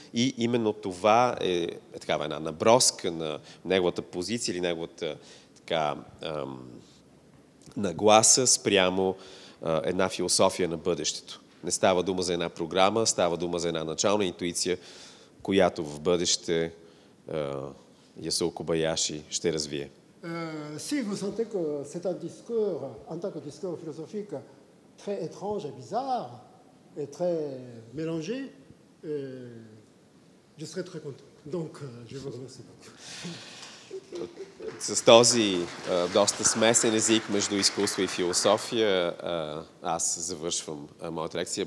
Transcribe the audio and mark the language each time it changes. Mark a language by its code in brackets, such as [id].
[bg] И именно това е такава една наброска на неговата позиция или неговата така, нагласа спрямо една философия на бъдещето. Не става дума за една програма, става дума за една начална интуиция, която в бъдеще Ясо Кобаяши ще развие. [fr] Si vous sentez que c'est un discours, en tant que discours philosophique, très étrange et bizarre, et très mélangé, je serais très content. Donc, je vous remercie beaucoup. [bg] С този доста смесен език между изкуство и философия, аз завършвам моята лекция.